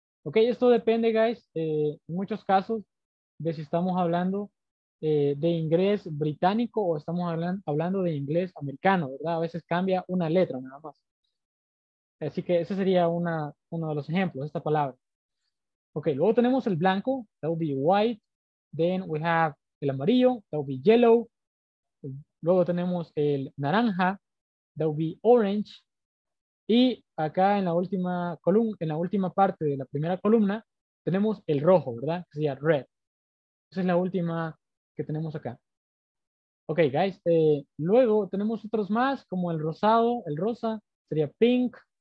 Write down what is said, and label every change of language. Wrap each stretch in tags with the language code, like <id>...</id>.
<es>Ok, esto depende, guys, en muchos casos, de si estamos hablando de inglés británico o estamos hablando de inglés americano, ¿verdad? A veces cambia una letra nada más. Así que ese sería uno de los ejemplos, esta palabra. Ok, luego tenemos el blanco,</es> <en>that would be white. Then we have</en> <es>el amarillo,</es> <en>that would be yellow.</en> <es>Luego tenemos el naranja,</es> <en>that would be orange.</en> <es>Y acá en la última columna, en la última parte de la primera columna, tenemos el rojo, ¿verdad? Que sería red. Esa es la última que tenemos acá. Ok, guys. Luego tenemos otros más, como el rosado, el rosa, sería pink.</es>